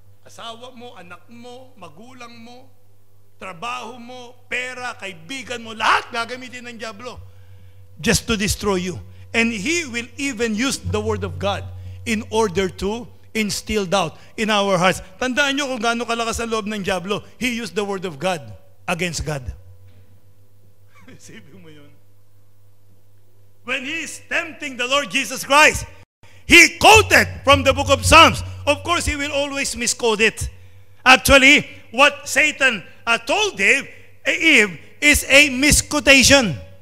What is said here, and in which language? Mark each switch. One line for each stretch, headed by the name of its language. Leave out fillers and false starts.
Filipino: Asawa mo, anak mo, magulang mo, trabaho mo, pera, kaibigan mo, lahat gagamitin ng Diablo
English: just to destroy you. And he will even use the Word of God in order to instill doubt in our hearts.
Filipino: Tandaan nyo kung gaano kalakas ang loob ng Diablo.
English: He used the Word of God against God.
Filipino: Isipin mo yun.
English: When he is tempting the Lord Jesus Christ, he quoted from the book of Psalms. Of course, he will always misquote it. Actually, what Satan told Eve is a misquotation.